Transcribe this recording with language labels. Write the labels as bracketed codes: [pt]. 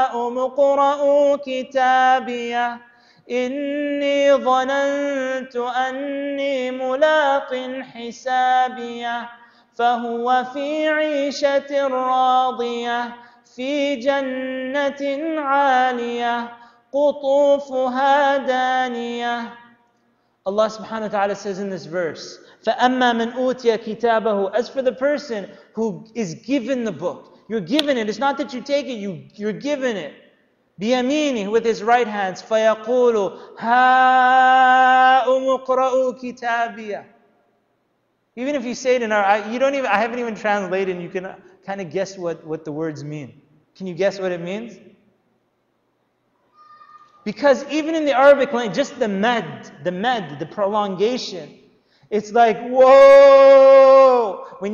[ar] مقرؤوا كتابي إني ظننت أني ملاق حسابي فهو في عيشة راضية في جنة عالية قطوفها دانية. [en] Allah subhanahu wa ta'ala says in this verse, [ar] فَأَمَّا مَنْ أُوْتِيَ كِتَابَهُ. [en] As for the person who is given the book, you're given it. It's not that you take it, you're given it. [ar] بِيَمِينِ, [en] with his right hands, [ar] فَيَقُولُ هَا أُمُقْرَأُ كِتَابِيَ. [en] Even if you say it in Arabic, I haven't even translated, and you can kind of guess what the words mean. Can you guess what it means? Because even in the Arabic language, just the med, the prolongation, it's like, whoa!